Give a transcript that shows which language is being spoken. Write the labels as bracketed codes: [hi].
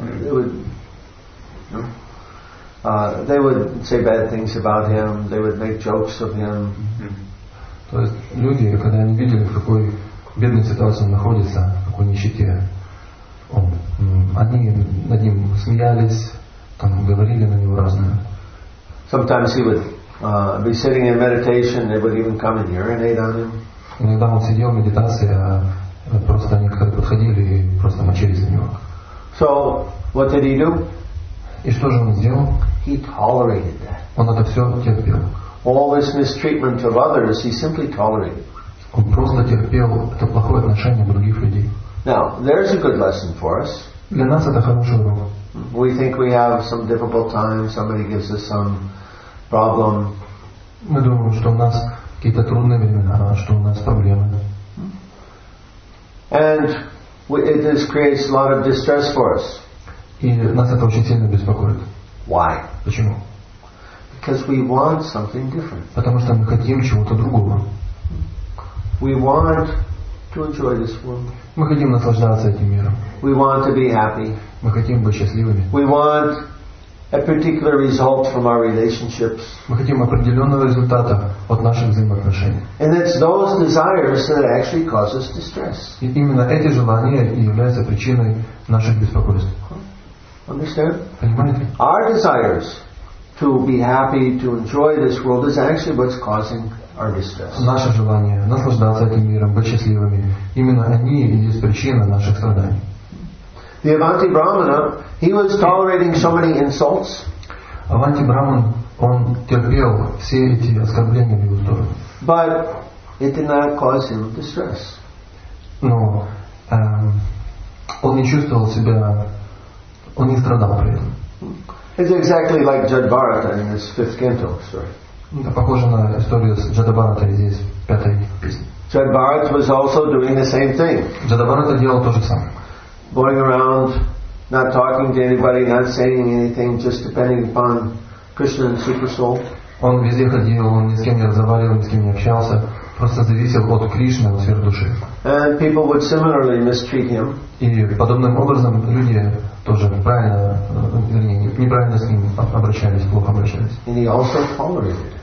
[en] would, you know, they would say bad things about him, they would make jokes of him. [ru] То есть люди, когда они видели, в какой бедной ситуации он находится, в какой нищете, они над ним смеялись, там говорили на него разное. [en] Sometimes he would be sitting in meditation, they would even come and urinate on him. [ru] Иногда он сидел в медитации, а просто они подходили и просто мочились на него. [en] So what did he do? [ru] И что же он сделал? [en] He tolerated that. [ru] Он это все терпел. [en] All this mistreatment of others, he simply tolerated. [ru] Он просто терпел это плохое отношение других людей. [en] Now, there's a good lesson for us. [ru] Для нас это хороший урок. [en] We think we have some difficult time, somebody gives us some problem. [ru] Мы думаем, что у нас какие-то трудные времена, что у нас проблемы. [en] And this creates a lot of distress for us. [ru] И нас это очень сильно беспокоит. [en] Why? [ru] Почему? [en] Because we want something different. [ru] Потому что мы хотим чего-то другого. [en] We want to enjoy this world. [ru] Мы хотим наслаждаться этим миром. [en] We want to be happy. [ru] Мы хотим быть счастливыми. [en] We want a particular result from our relationships. [ru] Мы хотим определенного результата от наших взаимоотношений. [en] And it's those desires that actually cause us distress. [ru] И именно эти желания являются причиной наших беспокойств. [en] Understand? [ru] Понимаете? [en] Our desires to be happy, to enjoy this world is actually what's causing our distress. [ru] Наше желание наслаждаться этим миром, быть счастливыми, именно они и есть причина наших страданий. [en] The Avanti Brahmana, he was tolerating so many insults. [ru] Avanti Brahman, он терпел все эти оскорбления в его сторону. [en] But it did not cause him distress. [ru] Но он не чувствовал себя, он не страдал при этом. [en] It's exactly like Jadbharata in this fifth canto story. [ru] Это похоже на историю с Jadbharata здесь, в пятой песне. [en] Jadbharata was also doing the same thing. [ru] Jadbharata делал то же самое. [en] Going around, not talking to anybody, not saying anything, just depending upon Krishna and the Super Soul. [ru] Он везде ходил, он ни с кем не разговаривал, ни с кем не общался, просто зависел от Кришны, от сферы души. [en] And people would similarly mistreat him. [ru] И подобным образом люди тоже неправильно, вернее, неправильно с ним обращались, плохо обращались. [en] And he also tolerated.